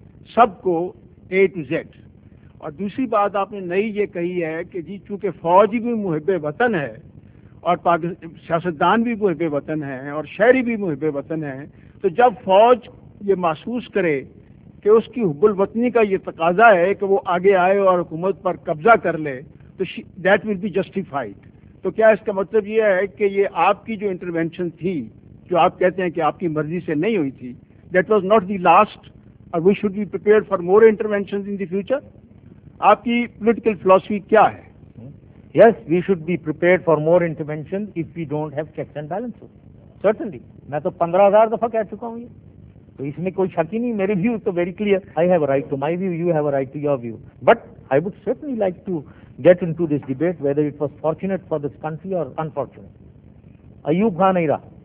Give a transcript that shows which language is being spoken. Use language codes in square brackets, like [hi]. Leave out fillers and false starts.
[ur] سب کو اے to Z, اور دوسری بات آپ نے نئی یہ کہی ہے کہ جی چونکہ فوج بھی محب وطن ہے اور سیاستدان بھی محب وطن ہیں اور شہری بھی محب وطن ہیں, تو جب فوج یہ محسوس کرے کہ اس کی حب الوطنی کا یہ تقاضا ہے کہ وہ آگے آئے اور حکومت پر قبضہ کر لے, تو [en] That will be justified. [ur] تو کیا اس کا مطلب یہ ہے کہ یہ آپ کی جو انٹروینشن تھی جو آپ کہتے ہیں کہ آپ کی مرضی سے نہیں ہوئی تھی, [en] that was not the last, [ur] اور [en] We should be prepared for more intervention in the future? [ur] آپ کی پولیٹیکل فلاسفی کیا ہے؟ [en] Yes, we should be prepared for more intervention if we don't have checks and balances. Certainly. [ur] میں تو 15,000 دفعہ کہہ چکا ہوں یہ, تو اس میں کوئی شک ہی نہیں, میرے ویو تو very clear. [en] I have a right to my view, you have a right to your view, but I would certainly like to get into this debate whether it was fortunate for this country or unfortunate. [ur] Ayub Khan نہیں رہا,